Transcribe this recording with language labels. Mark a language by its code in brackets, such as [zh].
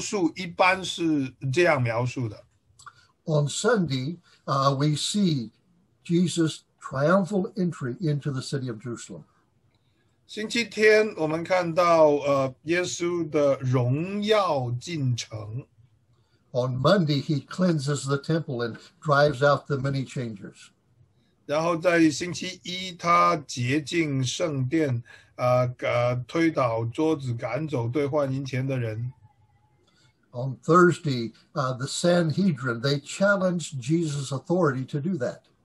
[zh] 然后，这个星期的描述一般是这样描述的。 [en] On Sunday, we see Jesus' triumphal entry into the city of Jerusalem. [zh] 星期天我们看到耶稣的荣耀进城。 [en] On Monday, he cleanses the temple and drives out the money changers. [zh] 然后在星期一，他洁净圣殿，推倒桌子，赶走兑换银钱的人。 [en] On Thursday, the Sanhedrin, they challenged Jesus' authority to do that.